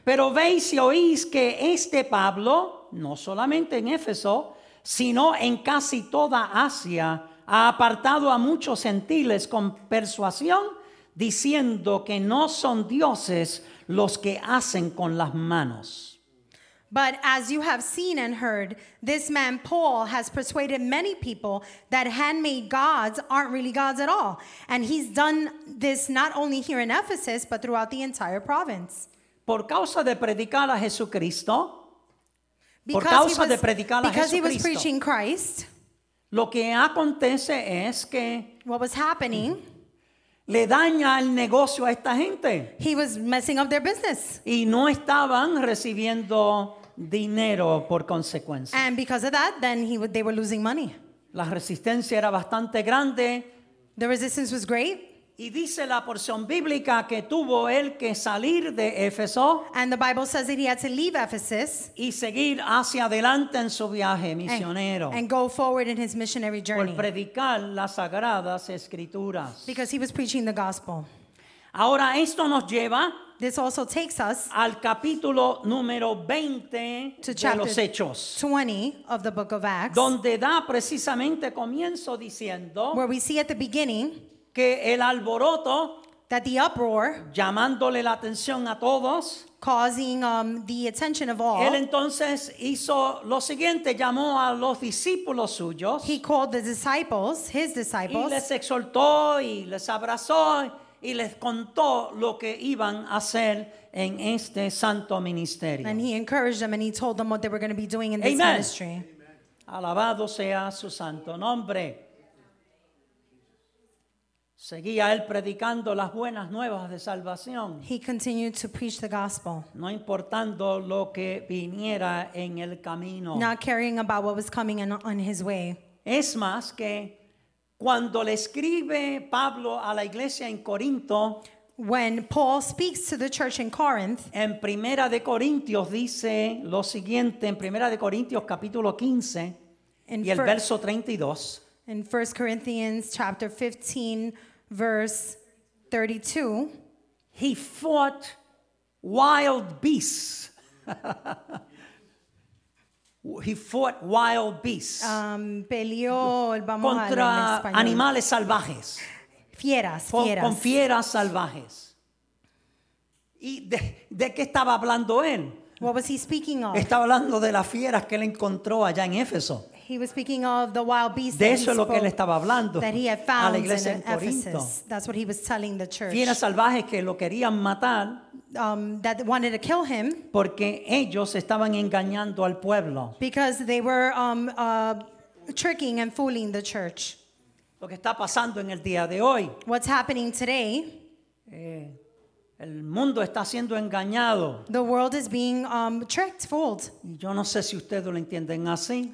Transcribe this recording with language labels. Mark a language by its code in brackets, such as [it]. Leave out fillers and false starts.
[es] Pero veis y oís que este Pablo, no solamente en Éfeso, sino en casi toda Asia, ha apartado a muchos gentiles con persuasión, diciendo que no son dioses los que hacen con las manos. [en] But as you have seen and heard, this man Paul has persuaded many people that handmade gods aren't really gods at all. And he's done this not only here in Ephesus, but throughout the entire province. [es] Por causa de predicar a Jesucristo, [en] because he was preaching Christ, [es] lo que acontece es que [en] what was happening, [es] le daña el negocio a esta gente. [en] He was messing up their business. [es] Y no estaban recibiendo dinero por consecuencia. [en] And because of that, then they were losing money. [es] La resistencia era bastante grande. [en] The resistance was great. [es] Y dice la porción bíblica que tuvo él que salir de Éfeso. [en] And the Bible says that he had to leave Ephesus. [es] Y seguir hacia adelante en su viaje misionero. [en] And go forward in his missionary journey. [es] Por predicar las sagradas escrituras. [en] Because he was preaching the gospel. [es] Ahora esto nos lleva. [en] This also takes us. [es] Al capítulo número 20 [en] to [es] de los Hechos. [en] To chapter 20 of the book of Acts. [es] Donde da precisamente comienzo diciendo. [en] Where we see at the beginning. [es] Que el alboroto, [en] that the uproar, [es] llamándole la atención a todos, [en] causing the attention of all, [es] él entonces hizo lo siguiente, llamó a los discípulos suyos, [en] he called the disciples, his disciples, [es] y les exhortó y les abrazó y les contó lo que iban a hacer en este santo ministerio. [en] And he encouraged them and he told them what they were going to be doing in [es] Amen. [en] This ministry. [es] Alabado sea su santo nombre. Seguía él predicando las buenas nuevas de salvación. [en] He continued to preach the gospel. [es] No importando lo que viniera en el camino. [en] Not caring about what was coming on his way. [es] Es más que cuando le escribe Pablo a la iglesia en Corinto. [en] When Paul speaks to the church in Corinth. [es] En Primera de Corintios dice lo siguiente. En Primera de Corintios capítulo 15 y el verso 32. [en] In 1 Corinthians chapter 15, verse 32, he fought wild beasts. He fought wild beasts. [es] Peleó, vamos contra a ver, en animales salvajes. Fieras. Con fieras salvajes. ¿Y de qué estaba hablando él? [en] What was he speaking of? [es] Estaba hablando de las fieras que él encontró allá en Éfeso. [en] He was speaking of the wild beast [es] de eso lo que él estaba hablando [en] that he had found [es] a la iglesia en Corinto. [en] That's what he was telling the church. [es] Fieras salvajes que lo querían matar [en] that wanted to kill him [es] porque ellos estaban engañando al pueblo. [en] Because they were tricking and fooling the church. [es] Lo que está pasando en el día de hoy. [en] What's happening today? [es] El mundo está siendo engañado. [en] The world is being tricked, fooled. [es] Y yo no sé si ustedes lo entienden así.